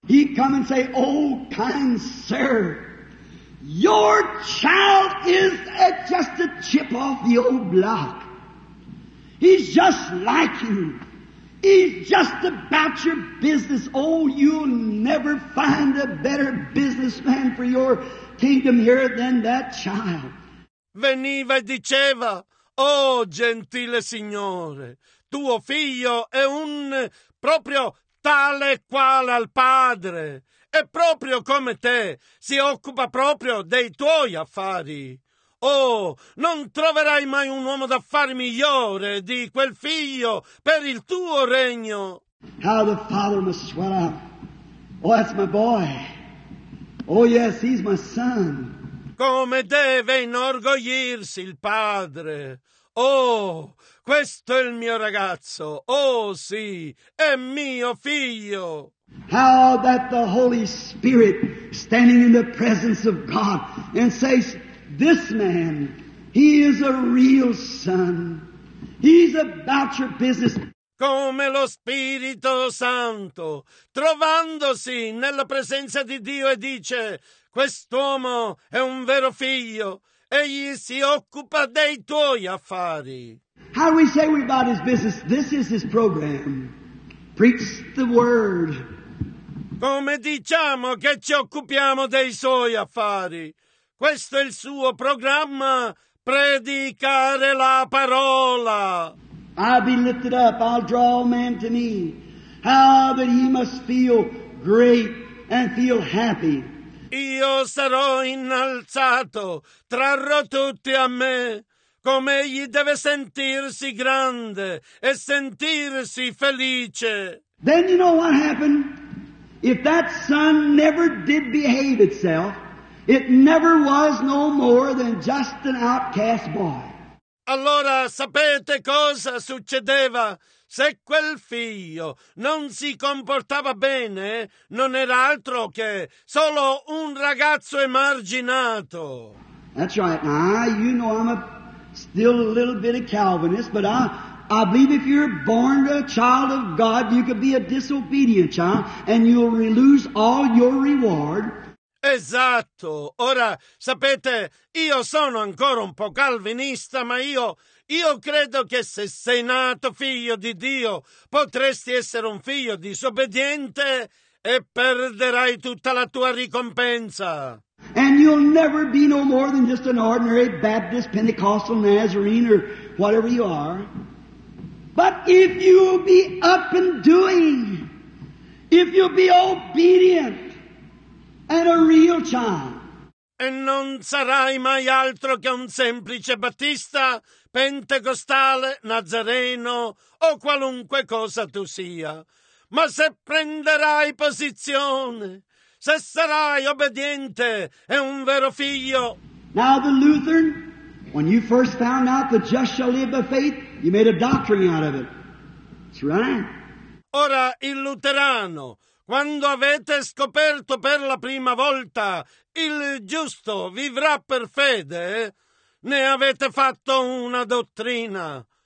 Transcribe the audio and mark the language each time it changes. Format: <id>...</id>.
<en>He'd come and say, oh, kind sir, your child is just a chip off the old block. He's just like you. He's just about your business. Oh, you'll never find a better businessman for your kingdom here than that child.</en> <it>Veniva e diceva, oh, gentile signore, tuo figlio è un proprio tale quale al padre. È proprio come te, si occupa proprio dei tuoi affari. Oh, non troverai mai un uomo d'affari migliore di quel figlio per il tuo regno.</it> <en>How the father must swell up. Oh, that's my boy. Oh, yes, he's my son.</en> <it>Come deve inorgoglirsi il padre. Oh, questo è il mio ragazzo. Oh, sì, è mio figlio.</it> <en>How that the Holy Spirit standing in the presence of God and says, this man, he is a real son. He's about your business.</en> <it>Come lo Spirito Santo, trovandosi nella presenza di Dio e dice, quest'uomo è un vero figlio, egli si occupa dei tuoi affari.</it> <en>How we say we're about his business? This is his program. Preach the word.</en> <it>Come diciamo che ci occupiamo dei suoi affari? Questo è il suo programma, predicare la parola.</it> <en>I'll be lifted up, I'll draw a man to me. How that he must feel great and feel happy.</en> <it>Io sarò innalzato, trarrò tutti a me. Come egli deve sentirsi grande e sentirsi felice.</it> <en>Then you know what happened? If that son never did behave itself, it never was no more than just an outcast boy.</en> <it>Allora sapete cosa succedeva? Se quel figlio non si comportava bene, non era altro che solo un ragazzo emarginato.</it> <en>That's right. You know I'm still a little bit of Calvinist, but I believe if you're born a child of God, you could be a disobedient child and you'll lose all your reward.</en> <it>Esatto. Ora, sapete, io sono ancora un po' calvinista, ma io credo che se sei nato figlio di Dio, potresti essere un figlio disobbediente e perderai tutta la tua ricompensa.</it> <en>And you'll never be no more than just an ordinary Baptist, Pentecostal, Nazarene, or whatever you are. But if you'll be up and doing, if you'll be obedient, and a real child.</en> <it>E non sarai mai altro che un semplice battista, pentecostale, nazareno o qualunque cosa tu sia. Ma se prenderai posizione, se sarai obbediente e un vero figlio.</it> <en>Now the Lutheran, when you first found out the just shall live by faith, you made a doctrine out of it. That's right.</en> <it>Ora il luterano, quando avete scoperto per la prima volta il giusto vivrà per fede, ne avete fatto una dottrina.</it>